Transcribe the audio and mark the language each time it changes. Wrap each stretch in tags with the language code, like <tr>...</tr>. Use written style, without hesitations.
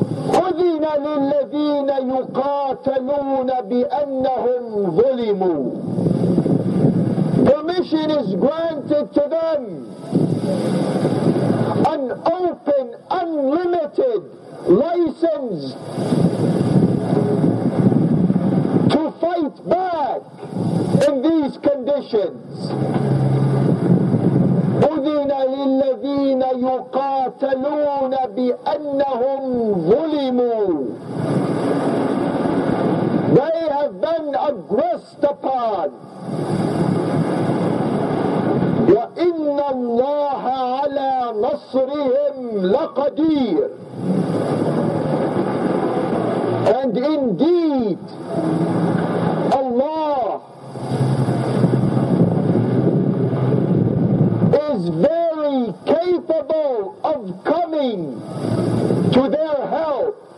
<ar>أذن للذين يقاتلون بأنهم ظلموا.</ar> <en>Permission is granted to them. An open, unlimited license to fight back in these conditions.</en> <ar>أذن للذين يقاتلون بأنهم ظلموا.</ar> <en>They have been aggressed upon.</en> <ar>وإن الله على نصرهم لقدير.</ar> <en>And indeed, Allah is very capable of coming to their help.</en>